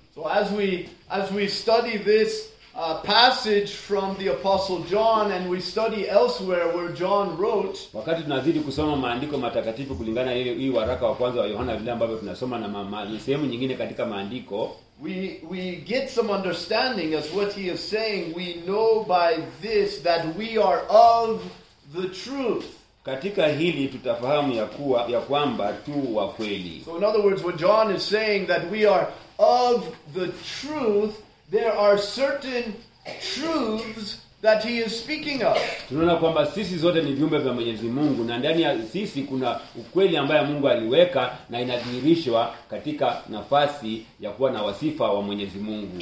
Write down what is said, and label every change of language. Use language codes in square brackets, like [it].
[en] So as we study this passage from the Apostle John and we study elsewhere where John wrote, [sw] wakati tunazidi kusoma maandiko matakatifu kulingana ile hii waraka wa kwanza wa Yohana vile ambavyo tunasoma na sehemu nyingine katika maandiko, [en] We get some understanding as what he is saying. We know by this that we are of the truth. [sw] Katika hili tutafahamu ya kwamba tu wa kweli. [en] So in other words, what John is saying that we are of the truth, there are certain truths that he is speaking of. [sw] Tunaona kwamba sisi zote ni viumbe vya Mwenyezi Mungu na ndani ya sisi kuna ukweli ambaye Mungu aliweka na inadhihirishwa katika nafasi ya kuwa na wasifa wa Mwenyezi Mungu.